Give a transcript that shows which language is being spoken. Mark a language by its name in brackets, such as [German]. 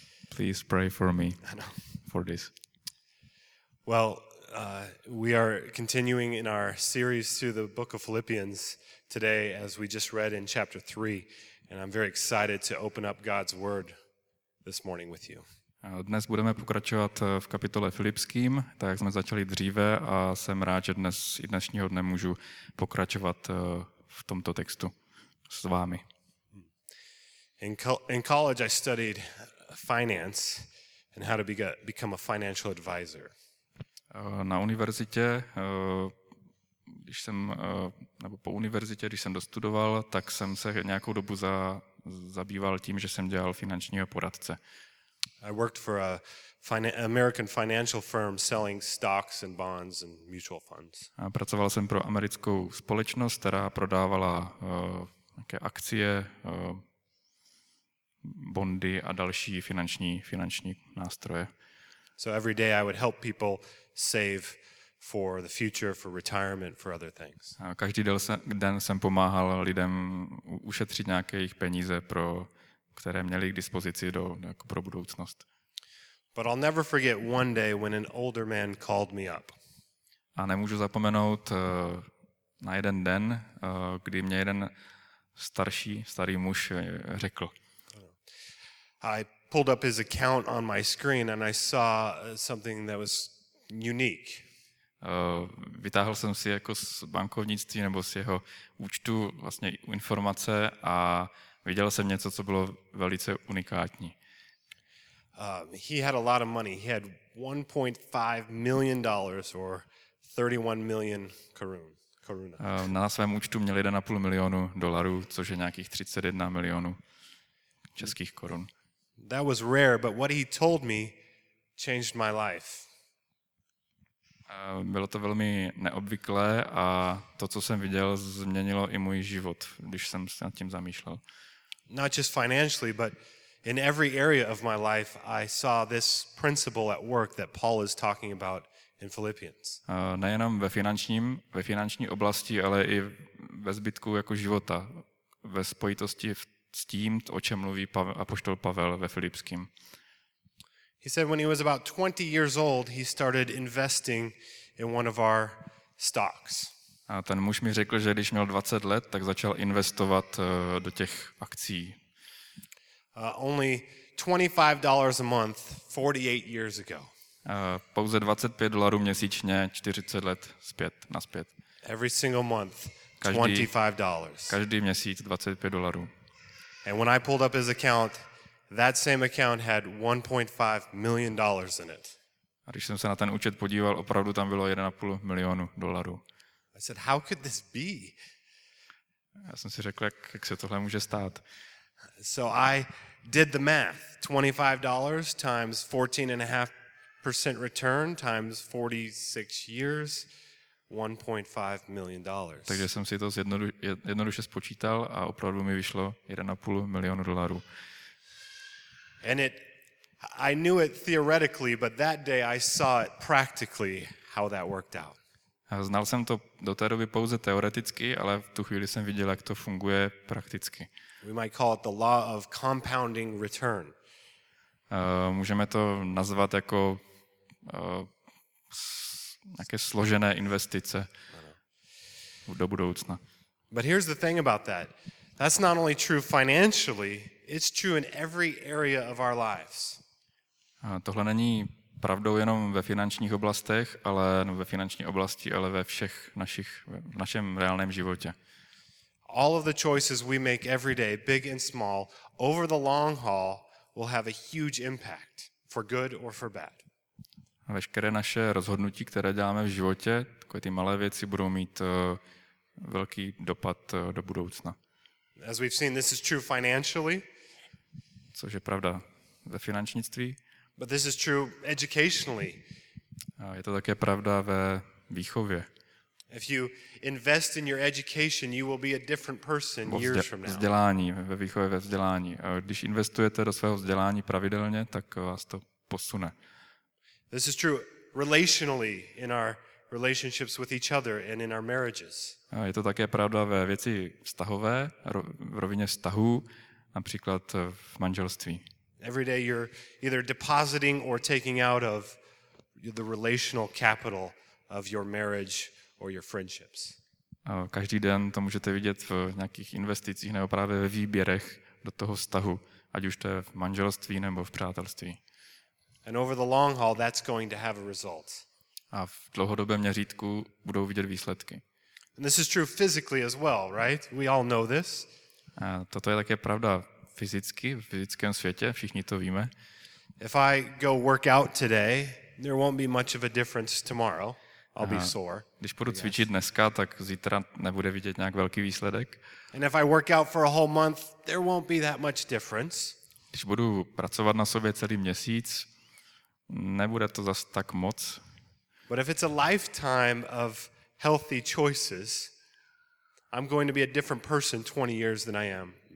[English] Please pray for me. Ano. For this. Well, we are continuing in our series through the book of Philippians today, as we just read in chapter 3, and I'm very excited to open up God's word this morning with you. [Czech] Dnes budeme pokračovat v kapitole Filipským, tak jak jsme začali dříve, a jsem rád, že dnes i dnešního dne můžu pokračovat v tomto textu s vámi. [English] In college I studied finance and how to become a financial advisor. [Czech] Na univerzitě, když jsem, nebo po univerzitě, když jsem dostudoval, tak jsem se nějakou dobu zabýval tím, že jsem dělal finančního poradce. [English] I worked for a American financial firm selling stocks and bonds and mutual funds. [Czech] A pracoval jsem pro americkou společnost, která prodávala nějaké akcie, bondy a další finanční nástroje. [English] So every day I would help people save for the future, for retirement, for other things. [Czech] A každý den jsem pomáhal lidem ušetřit nějaké jejich peníze, pro které měli k dispozici pro budoucnost. [English] But I'll never forget one day when an older man called me up. [Czech] A nemůžu zapomenout na jeden den, kdy mě jeden starý muž řekl. [English] I pulled up his account on my screen and I saw something that was unique. [Czech] Vytáhl jsem si jako z bankovnictví nebo z jeho účtu vlastně informace a viděl jsem něco, co bylo velice unikátní. [English] He had a lot of money. He had $1.5 million or 31 million korun. [Czech] Na svém účtu měl 1,5 milionu dolarů, což je nějakých 31 milionů českých korun. [English] That was rare, but what he told me changed my life. [Czech] Bylo to velmi neobvyklé a to, co jsem viděl, změnilo i můj život, když jsem se nad tím zamýšlel. [English] Not just financially, but in every area of my life, I saw this principle at work that Paul is talking about in Philippians. [Czech] Nejenom ve finanční oblasti, ale i ve zbytku jako života, ve spojitosti s tím, o čem mluví apoštol Pavel ve Filipským. [English] He said when he was about 20 years old, he started investing in one of our stocks. [Czech] A ten muž mi řekl, že když měl 20 let, tak začal investovat do těch akcí. [English] Only $25 a month 48 years ago. [Czech] Pouze $25 měsíčně 40 let zpět nazpět. [English] Every single month $25. [Czech] Každý měsíc $25. [English] And when I pulled up his account, that same account had $1.5 million in it. [Czech] A když jsem se na ten účet podíval, opravdu tam bylo 1,5 milionu dolarů. [English] I said, how could this be? [Czech] Já jsem si řekl, jak se tohle může stát. [English] So I did the math. $25 times 14.5% return times 46 years, $1.5 million. [Czech] Takže jsem si to jednoduše spočítal a opravdu mi vyšlo 1,5 milionu dolarů. [English] And I knew it theoretically, but that day I saw it practically how that worked out. [Czech] Znal jsem to do té doby pouze teoreticky, ale v tu chvíli jsem viděl, jak to funguje prakticky. [English] We might call it the law of compounding return. [Czech] Můžeme to nazvat jako nějaké složené investice do budoucna. [English] But here's the thing about that. That's not only true financially, it's true in every area of our lives. [Czech] Tohle není pravdou jenom ve finančních oblastech, ale ve finanční oblasti, ale ve všech našich v našem reálném životě. [English] All of the choices we make every day, big and small, over the long haul will have a huge impact for good or for bad. [Czech] Veškeré naše rozhodnutí, které děláme v životě, takové ty malé věci budou mít velký dopad do budoucna. [English] As we've seen, this is true financially. [Czech] Což je pravda ve finančnictví. [English] But this is true educationally. [Czech] A je to také pravda ve výchově. [English] If you invest in your education, you will be a different person years from now. [Czech] Vzdělání, ve výchově, ve vzdělání. A když investujete do svého vzdělání pravidelně, tak vás to posune. [English] This is true relationally in our relationships with each other and in our marriages. [Czech] A je to také pravda ve věci vztahové, v rovině vztahů, například v manželství. [English] Every day you're either depositing or taking out of the relational capital of your marriage or your friendships. [Czech] Každý den to můžete vidět v nějakých investicích nebo právě ve výběrech do toho vztahu, ať už to je v manželství nebo v přátelství. [English] And over the long haul that's going to have a result. [Czech] A v dlouhodobém měřítku budou vidět výsledky. [English] And this is true physically as well, right? We all know this. [Czech] Toto je také pravda fyzicky, v fyzickém světě, všichni to víme. [English] If I go work out today, there won't be much of a difference tomorrow. I'll be sore. [Czech] Když půjdu cvičit dneska, tak zítra nebude vidět nějak velký výsledek. [English] And if I work out for a whole month, there won't be that much difference. [Czech] Když budu pracovat na sobě celý měsíc, nebude to zas tak moc. [English] But if it's a lifetime of healthy choices, I'm going to be a different person 20 years than I am.